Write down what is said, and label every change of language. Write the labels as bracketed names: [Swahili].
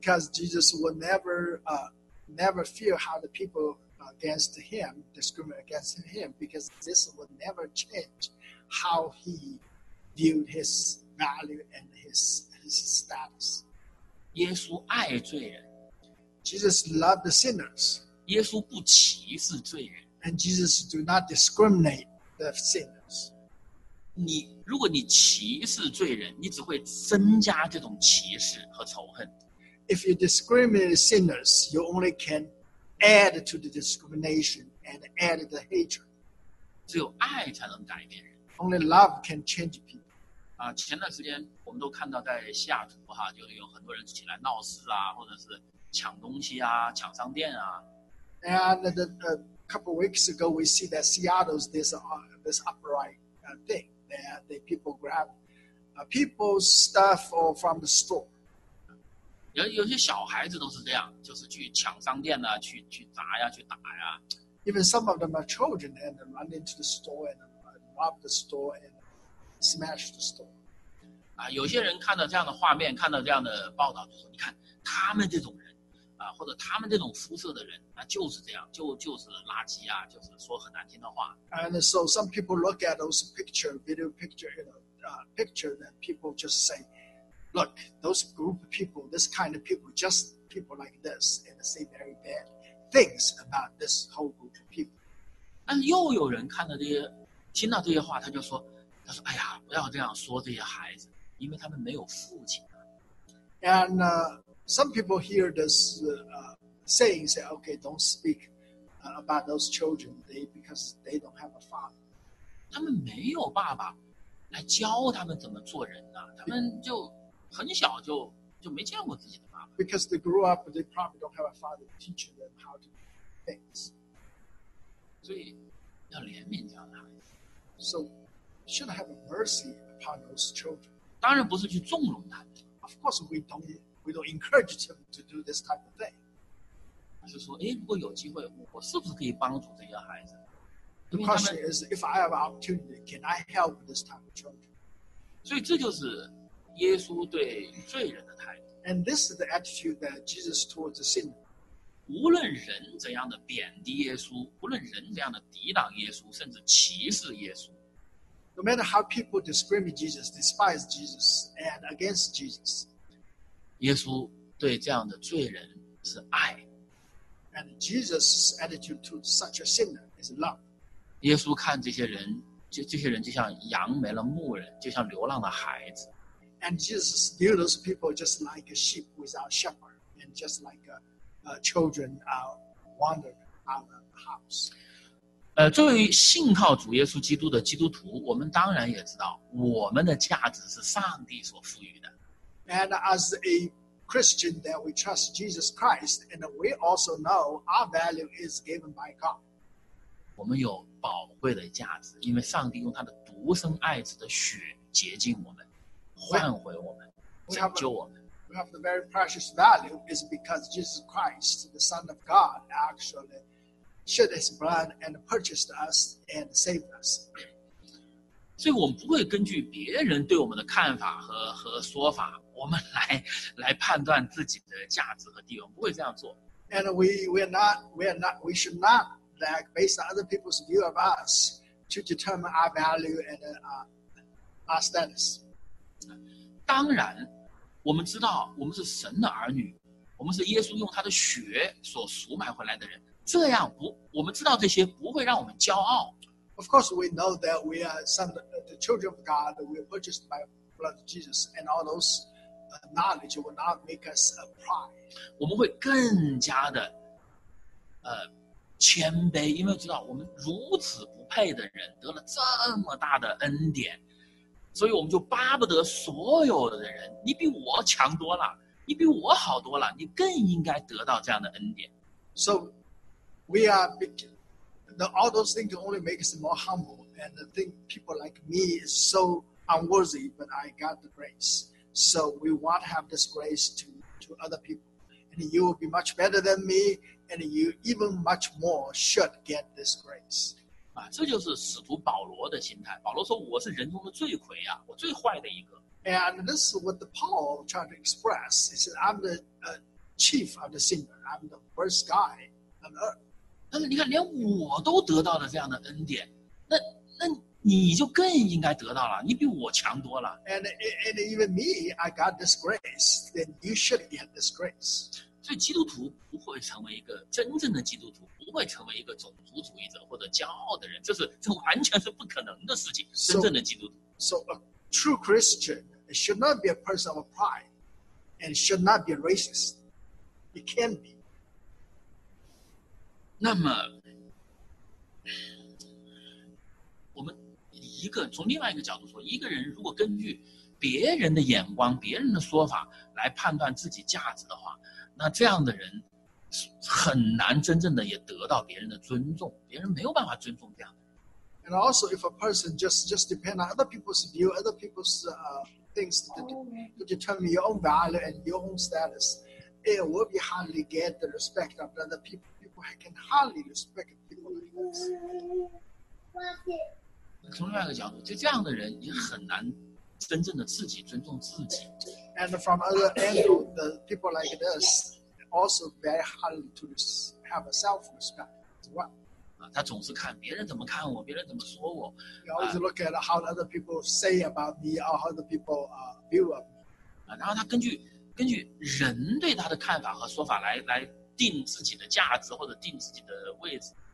[English] Because Jesus will never feel how the people. Against him, discriminate against him, because this would never change how he viewed his value and his status. [Chinese] 耶稣爱罪人。 [English] Jesus loved the sinners. [Chinese] 耶稣不歧视罪人。 [English] And Jesus do not discriminate the sinners. [Chinese] 你如果你歧视罪人，你只会增加这种歧视和仇恨。 [English] If you discriminate sinners, you only can. Add to the discrimination and add the hatred. [Chinese] 只有爱才能改变人。 [English] Only love can change people. [Chinese] 啊，前段时间我们都看到在西雅图哈，就有很多人起来闹事啊，或者是抢东西啊，抢商店啊。 [English] And a couple weeks ago, we see that Seattle's this upright thing that the people grab people's stuff or from the store. [Chinese] 有些小孩子都是这样，就是去抢商店啊，去砸呀，去打呀。 [English] Even some of them are children and run into the store and rob the store and smash the store. [Chinese] 啊，有些人看到这样的画面，看到这样的报道，就说：“你看他们这种人，啊，或者他们这种肤色的人，啊，就是这样，就是垃圾啊，就是说很难听的话。” [English] And so some people look at those picture, video picture, you know, picture that people just say. Look, those group of people, this kind of people, just people like this, and say very bad things about this whole group of people. [Chinese] 但是又有人看到这些，听到这些话，他说：“哎呀，不要这样说这些孩子，因为他们没有父亲。” [English] And some people hear this saying, say, "Okay, don't speak about those children. They because they don't have a father." [Chinese] 他们没有爸爸来教他们怎么做人呢、啊？他们就很小就没见过自己的爸爸。 [English] Because they grew up, they probably don't have a father to teach them how to do things. [Chinese] 所以要怜悯这样的孩子。 [English] So should have mercy upon those children. [Chinese] 当然不是去纵容他们。 [English] Of course, we don't encourage them to do this type of thing. [Chinese] 就是说，哎，如果有机会，我是不是可以帮助这些孩子？ [English] The question is, if I have an opportunity, can I help this type of children? [Chinese] 所以这就是耶稣对罪人的态度。 [English] And this is the attitude that Jesus towards the sinner. [Chinese] 无论人怎样的贬低耶稣，无论人怎样的抵挡耶稣，甚至歧视耶稣。 [English] No matter how people discriminate Jesus, despise Jesus, and against Jesus, [Chinese] 耶稣对这样的罪人是爱。 [English] And Jesus' attitude to such a sinner is love. [Chinese] 耶稣看这些人，这些人就像羊没了牧人，就像流浪的孩子。 [English] And Jesus knew those people just like a sheep without shepherd, and just like a. Children wandering out of the house. [Chinese] 作为信靠主耶稣基督的基督徒，我们当然也知道我们的价值是上帝所赋予的。 [English] And as a Christian, that we trust Jesus Christ, and we also know our value is given by God. [Chinese] 我们有宝贵的价值，因为上帝用他的独生爱子的血洁净我们，换回我们，拯救我们。 [English] We have the very precious value is because Jesus Christ, the Son of God, actually shed his blood and purchased us and saved us. [Chinese] 所以我们不会根据别人对我们的看法 和说法，我们 来判断自己的价值和地位，我们不会这样做。 [English] And we should not, like, based on other people's view of us, to determine our value and our status. [Chinese] 当然我们知道我们是神的儿女，我们是耶稣用他的血所赎买回来的人，这样不，我们知道这些不会让我们骄傲。 [English] Of course we know that we are some the children of God, we are purchased by blood of Jesus, and all those knowledge will not make us a pride. [Chinese] 我们会更加的谦卑，因为知道我们如此不配的人得了这么大的恩典，所以我们就巴不得所有的人，你比我强多了，你比我好多了，你更应该得到这样的恩典。 [English] So we are the all those things only make us more humble, and think people like me is so unworthy, but I got the grace. So we want to have this grace to other people, and you will be much better than me, and you even much more should get this grace. [Chinese] 这就是使徒保罗的心态。保罗说：“我是人中的罪魁啊，我最坏的一个。” [English] And this is what the Paul trying to express. He said, "I'm the chief of the sinner. I'm the worst guy on earth." [Chinese] 但是你看，连我都得到了这样的恩典，那你就更应该得到了，你比我强多了。 [English] And even me, I got this grace. Then you should get this grace. [Chinese] 所以基督徒不会成为一个真正的基督徒。不会成为一个种族主义者或者骄傲的人，这完全是不可能的事情。真正的基督徒。 [English] So a true Christian should not be a person of pride, and should not be a racist. It can be. [Chinese] 那么，我们一个从另外一个角度说，一个人如果根据别人的眼光、别人的说法来判断自己价值的话，那这样的人。很难真正的也得到别人的尊重，别人没有办法尊重这样的。 [English] And also, if a person just depend on other people's view, other people's things to determine your own value and your own status, it will be hardly get the respect of other people. People can hardly respect people. [Chinese] 从另外一个角度，就这样的人也很难真正的自己尊重自己。 [English] And from other angle, the people like this. Also, very hard to have a self-respect as well. [Chinese] 他总是看别人怎么看我，别人怎么说我。 [English] You always look at how other people say about me or how other people view of me. [Chinese] 然后他根据人对他的看法和说法来定自己的价值或者定自己的位置。